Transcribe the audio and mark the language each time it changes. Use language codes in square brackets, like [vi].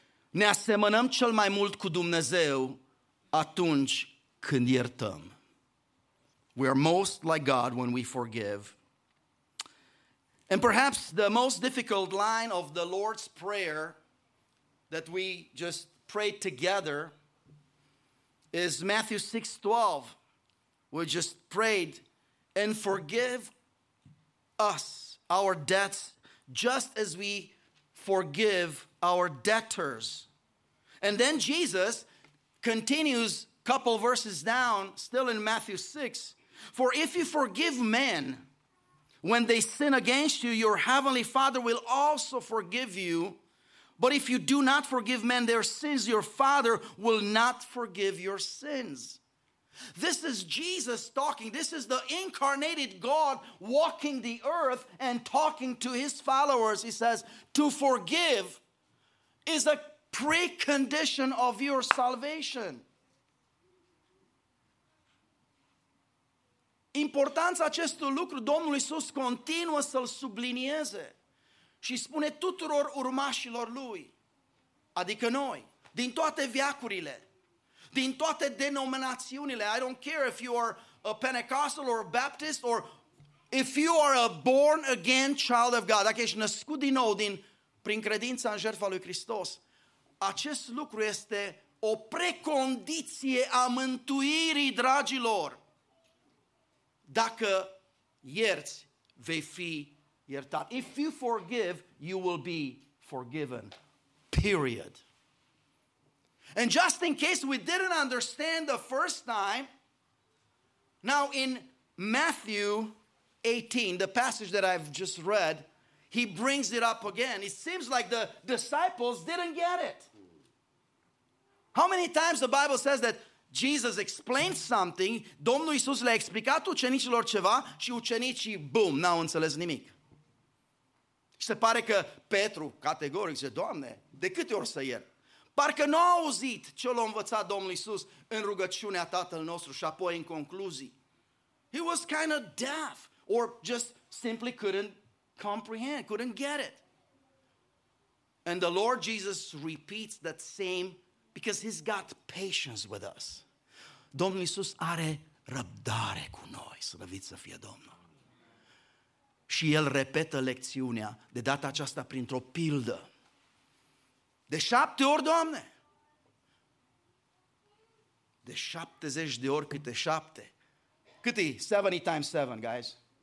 [ro] Ne asemănăm cel mai mult cu Dumnezeu atunci când iertăm. [en] We are most like God when we forgive. And perhaps the most difficult line of the Lord's Prayer that we just prayed together is Matthew 6:12. We just prayed, and forgive us our debts just as we forgive our debtors. And then Jesus continues a couple verses down, still in Matthew 6. For if you forgive men when they sin against you, your heavenly Father will also forgive you. But if you do not forgive men their sins, your Father will not forgive your sins. This is Jesus talking. This is the incarnated God walking the earth and talking to his followers. He says, to forgive is a precondition of your salvation. [ro] Importanța acestui lucru, Domnul Iisus continuă să-l sublinieze și spune tuturor urmașilor lui, adică noi, din toate veacurile, din toate denominațiunile. [en] I don't care if you are a Pentecostal or a Baptist or if you are a born again child of God, [ro] dacă ești născut din nou prin credința în jertfa lui Hristos, acest lucru este o precondiție a mântuirii, dragilor. Dacă ierți, vei fi iertat. [en] If you forgive, you will be forgiven. Period. And just in case we didn't understand the first time, now in Matthew 18, the passage that I've just read, he brings it up again. It seems like the disciples didn't get it. How many times the Bible says that Jesus explained something, [ro] Domnul Iisus le-a explicat ucenicilor ceva și ucenicii, boom, n-au înțeles nimic. Și se pare că Petru, categoric, zice, Doamne, de câte ori să iert? Parcă nu a auzit ce l-a învățat Domnul Iisus în rugăciunea Tatăl nostru și apoi în concluzii. [en] He was kind of deaf or just simply couldn't comprehend, couldn't get it. And the Lord Jesus repeats that same because he's got patience with us. [ro] Domnul Iisus are răbdare cu noi, slăvit să fie Domnul. Și el repetă lecțiunea, de data aceasta printr-o pildă. De 7 ori, Doamne! De 70 de ori câte 7. Cât e 70 [en] times 7, guys?